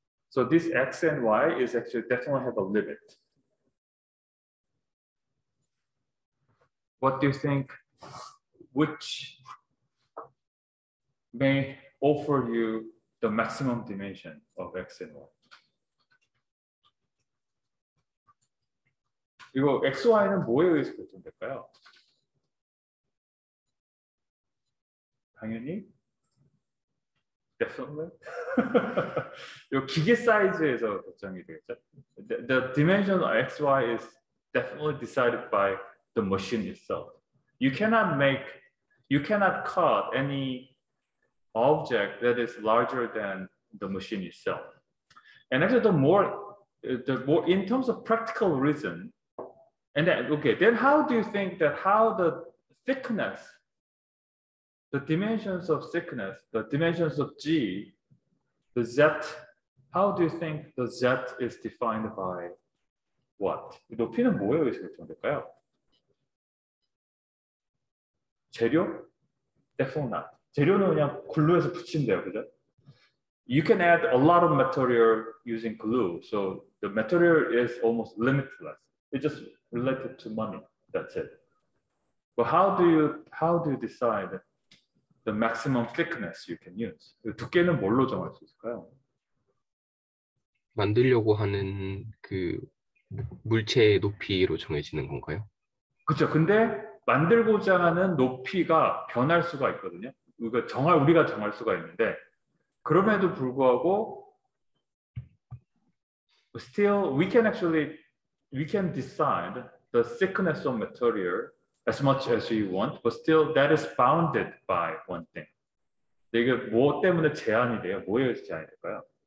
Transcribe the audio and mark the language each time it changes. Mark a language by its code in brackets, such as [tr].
[en] So this x and y is actually definitely have a limit. What do you think? Which may offer you the maximum dimension of x and y. [ko] 이거 x, y는 뭐에 의해서 결정될까요? 당연히 definitely 이 기계 사이즈에서 결정이 되겠죠. [en] The dimension of x, y is definitely decided by the machine itself. You cannot cut any object that is larger than the machine itself. And actually the more in terms of practical reason, and then okay, then how do you think that how the thickness, the dimensions of thickness, the dimensions of G, the Z, how do you think the Z is defined by what? [ko] 높이는 뭐에 의해서 결정될까요? [en] 재료? Definitely not. [ko] 재료는 그냥 글루에서 붙인대요, 그죠? [en] You can add a lot of material using glue, so the material is almost limitless. It's just related to money. That's it. But how do you decide the maximum thickness you can use? [ko] 두께는 뭘로 정할 수 있을까요? 만들려고 하는 그 물체의 높이로 정해지는 건가요? 그렇죠. 근데 만들고자 하는 높이가 변할 수가 있거든요. 우리가 정할 수가 있는데 그럼에도 불구하고 [en] still we can decide the thickness of material as much as we want, but still that is bounded by one thing. [ko] 이게 뭐 때문에 제한이 돼요? 뭐에 의해서 제한이 될까요?